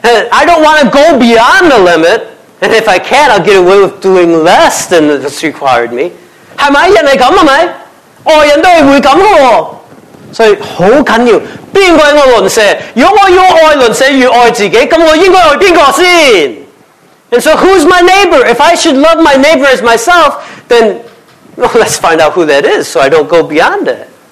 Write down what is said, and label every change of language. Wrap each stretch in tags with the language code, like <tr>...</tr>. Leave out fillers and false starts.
<en>I don't want to go beyond the limit. And if I can, I'll get away with doing less than it's required me.</en> <zh>是不是人家是这样的吗?外人都会这样的。所以很重要,谁是我的邻舍?如果我要爱邻舍越爱自己,那我应该去哪里先?</zh> <en>And so who's my neighbor? If I should love my neighbor as myself, then well, let's find out who that is so I don't go beyond it.</en>